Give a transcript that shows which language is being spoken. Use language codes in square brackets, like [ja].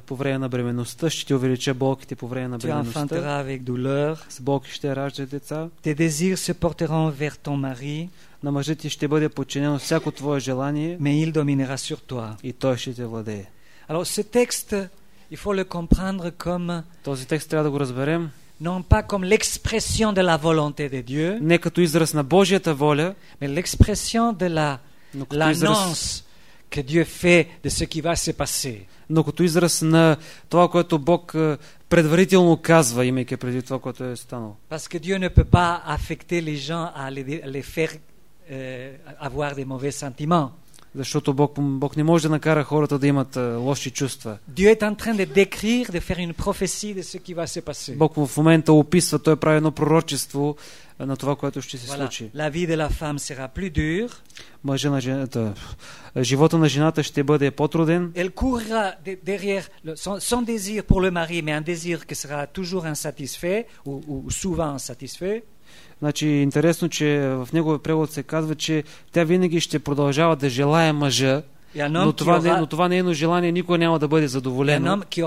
[bg] Mm-hmm. Да, по време на бременността ще ти увелича болките по време на бременността. [fr] Tu enfanteras avec douleur. [bg] С болки ще раждаш деца. [fr] Tes désirs se porteront vers ton mari. [bg] На мъжа ти ще бъде подчинено всяко твое желание. [fr] Mais il dominera sur toi. [bg] И той ще те владее. [fr] Alors ce texte, il faut le comprendre comme [bg] Този текст трябва да го разберем. [fr] Non pas comme l'expression de la volonté de Dieu, [bg] не като израз на Божията воля, [fr] mais l'expression de la l'annonce que Dieu fait de ce qui va se passer. [bg] Но като израз на това, което Бог предварително казва, имайки преди това, което е станало. [fr] Parce que Dieu ne peut pas affecter les gens à les faire avoir des mauvais sentiments. [bg] Защото Бог не може да накара хората да имат лоши чувства. [fr] Dieu est en train de décrire, de faire une prophétie de ce qui va se passer. [bg] Бог в момента описва, той прави едно пророчество на това, което ще се [fr] voilà. [bg] случи. [fr] La vie de la femme sera plus dure. [bg] Живота на жената ще бъде по-труден. [fr] Elle courra derrière son désir pour le mari, mais un désir qui sera toujours insatisfait ou souvent insatisfait. [bg] Значи, интересно, че в неговия превод се казва, че тя винаги ще продължава да желая мъжа, но това нейно желание никога няма да бъде задоволено.